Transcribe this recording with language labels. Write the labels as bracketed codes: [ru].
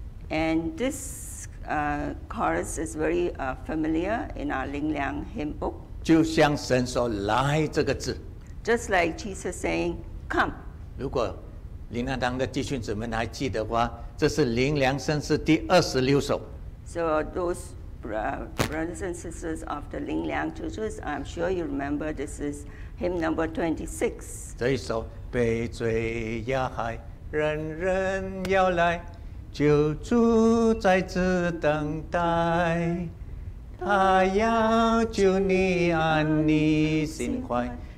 [en] And this chorus is very familiar in our Ling Liang hymn book. [zh] 就像神说来这个字， [en] just like Jesus saying, come. [zh] 如果灵粮堂的弟兄姊妹还记得的话，这是灵粮圣诗第26首。 [en] So those brothers and sisters of the Ling Liang churches, I'm sure you remember this is hymn number 26. [zh] 这一首，被罪压害，人人要来，救主在此等待，他要救你安你心怀。